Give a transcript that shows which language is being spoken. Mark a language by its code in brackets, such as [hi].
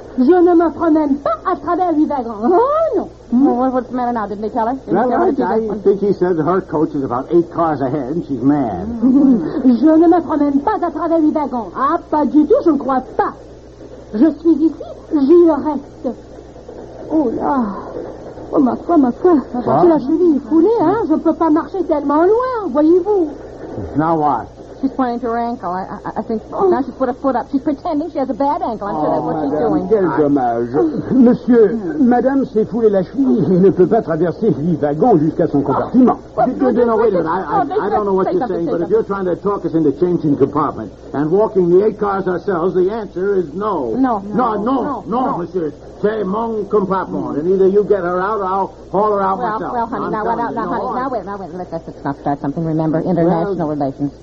[fr] Je ne me promène pas à travers 8 wagons. Oh, non. [en] Well, what's the matter now? Didn't they tell us? I think he said that her coach is about 8 cars ahead and she's mad. [fr] Je ne me promène pas à travers 8 wagons. Ah, pas du tout, je ne crois pas. Je suis ici, j'y reste. Oh là! Oh, ma foi! J'ai la cheville foulée, hein? Je ne peux pas marcher tellement loin, voyez-vous! [en] Now what? She's pointing to her ankle. I think now she's put a foot up. She's pretending she has a bad ankle. I'm sure that's what [fr] madame, [en] she's doing. [fr] Quel dommage. Monsieur, madame s'est foulée la cheville et ne peut pas traverser 8 wagons jusqu'à son compartiment. [en] I don't know what you're saying, but if you're trying to talk us into changing compartment and walking the 8 cars ourselves, the answer is no. No, [fr] monsieur. C'est mon compartment. [en] And either you get her out or I'll haul her out myself. Well, honey, let us not start something. Remember, international relations.